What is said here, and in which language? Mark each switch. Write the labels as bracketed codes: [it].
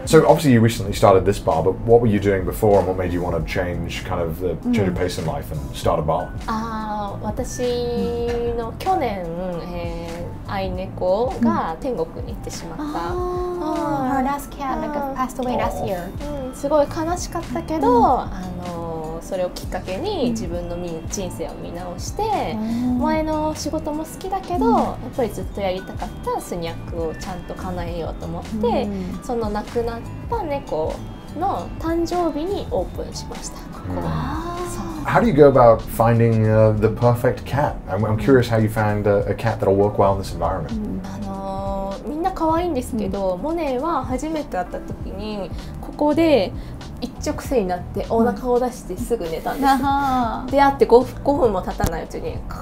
[en] So obviously you recently started this bar, but what were you doing before, and what made you want to change kind of the change of pace in life and start a bar? [ja] Ah, 私の去年愛猫が天国に行ってしまった。 [en] Her last cat like passed away last year. [ja] すごい悲しかったけど、あのそれをきっかけに自分の人生を見直して、前の仕事も好きだけど、やっぱりずっとやりたかったスニャックをちゃんと叶えようと思って、その亡くなった猫の誕生日にオープンしました。 [en] How do you go about finding the perfect cat? I'm curious how you found a cat that'll work well in this environment. [ja] みんな可愛いんですけど、モネは初めて会った時にここで一直線になってお腹を出してすぐ寝たんです。出会って5分も経たないうちに。